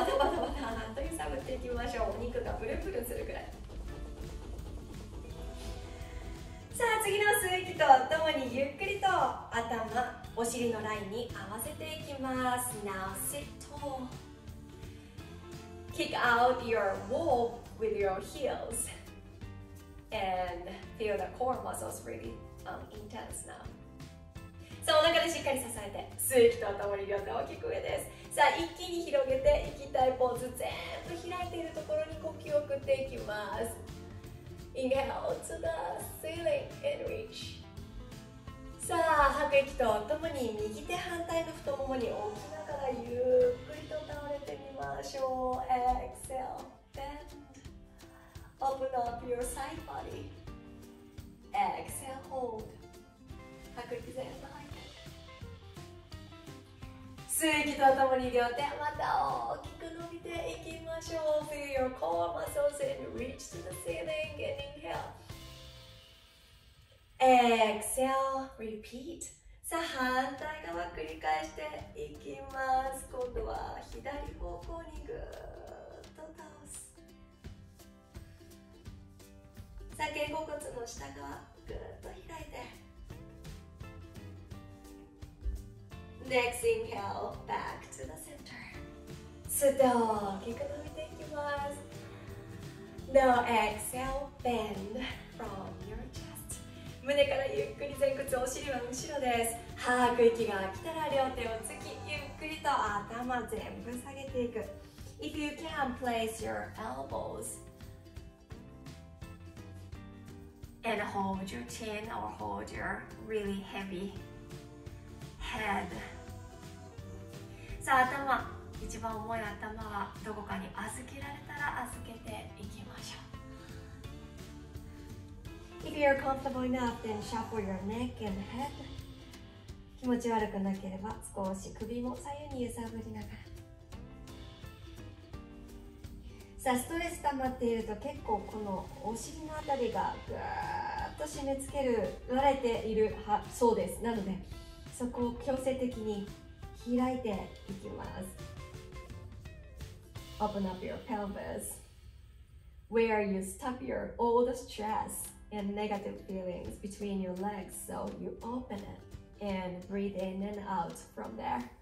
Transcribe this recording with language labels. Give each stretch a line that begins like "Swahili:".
Japanese: バタバタバタと揺さぶっていきましょう。お肉がブルブルするくらい。さあ、次の吸う息とともにゆっくりと頭、お尻のラインに合わせていきます。
English: Now sit tall. Kick out your wall with your heels and feel the core muscles really、intense now.
Japanese: さあ、お腹でしっかり支えて、吸う息とともに両手を大きく上です。さあ、一気に広げていきたいポーズ、全部開いているところに呼吸を送っていきます。
English: Inhale to the ceiling and reach.
Japanese: さあ、吐く息とともに右手反対の太ももに置きながらゆっくりと倒れてみましょう。
English: Exhale, bend. Open up your side body. Exhale, hold.
Japanese: 吐く息全部吐いて、吸う息とともに両手また大きく伸びていきましょう。
English: Feel your core muscles and reach to the ceiling and inhale. Exhale, repeat.
Japanese: さあ、反対側繰り返していきます。今度は左方向にぐーっと倒す。さあ、肩甲骨の下側ぐーっと開いて、
English: Next inhale, back to the center.
Japanese: 吸って大きく伸びていきます。
English: Now exhale, bend from your chest.
Japanese: 胸からゆっくり前屈、お尻は後ろです。吐く息が来たら両手をつき、ゆっくりと頭全部下げていく。
English: If you can, place your elbows and hold your chin or hold your really heavy head.
Japanese: さあ、頭、一番重い頭はどこかに預けられたら預けていきましょう。
English: If you're comfortable enough, then shuffle your neck and head.
Japanese: 気持ち悪くなければ少し首も左右に揺さぶりながら。さあ、ストレス溜まっていると結構このお尻のあたりがぐーっと締め付けられているそうです。なのでそこを強制的に開いていきます。
English: Open up your pelvis. Where you stop your old stress and negative feelings between your legs. So you open it and breathe in and out from there.